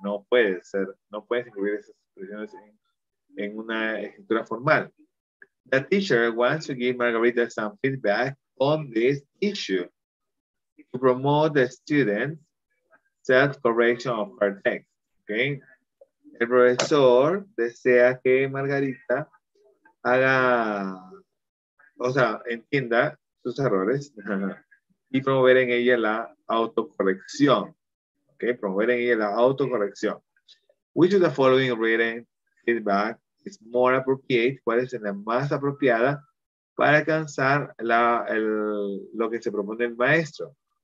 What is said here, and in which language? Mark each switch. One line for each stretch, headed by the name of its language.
Spanish: No puede ser, no puedes incluir esas expresiones en una escritura formal.
English: The teacher wants to give Margarita some feedback on this issue. To promote the student's self-correction of her text. Okay.
Spanish: El profesor desea que Margarita haga, o sea, entienda sus errores y promover en ella la autocorrección. Okay. Promover en ella la autocorrección.
English: Which of the following written feedback is more appropriate?
Spanish: ¿Cuál es la más apropiada para alcanzar lo que se propone el maestro?